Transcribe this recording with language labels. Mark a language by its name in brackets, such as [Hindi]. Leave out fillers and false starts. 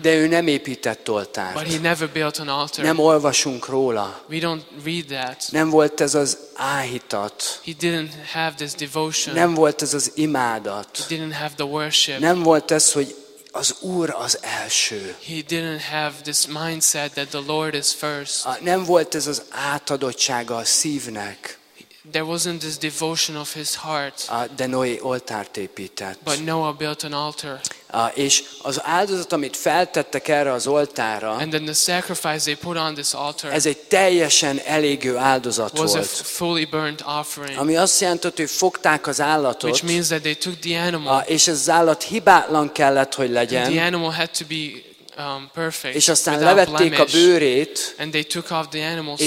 [Hungarian] de ő nem épített oltárt. [English] But he never built an altar. [Hungarian] Nem olvasunk róla. [English] We don't read that. [Hungarian] Nem volt ez az áhítat. [English] He didn't have this devotion. [Hungarian] Nem volt ez az imádat. [English] He didn't have the worship. [Hungarian] Nem volt ez, hogy az Úr az első. [English] He didn't have this mindset that the Lord is first. [Hungarian] Nem volt ez az átadottsága a szívnek. [English] There wasn't this devotion of his heart. [Hungarian] De Noé oltárt épített. [English] But Noah built an altar. [Hungarian] És az áldozat, amit feltettek erre az oltára, [English] and then the sacrifice they put on this altar, [Hungarian] ez egy teljesen elégő áldozat [English] was [Hungarian] volt. [English] A fully burnt offering. [Hungarian] Ami azt jelentett, hogy fogták az állatot, [English] which means that they took the animal, [Hungarian] és ez az állat hibátlan kellett, hogy legyen. [English] And the animal had to be perfect, [Hungarian] és aztán levették [English] blemish, [Hungarian] a bőrét, [English] and they took off the animal skin,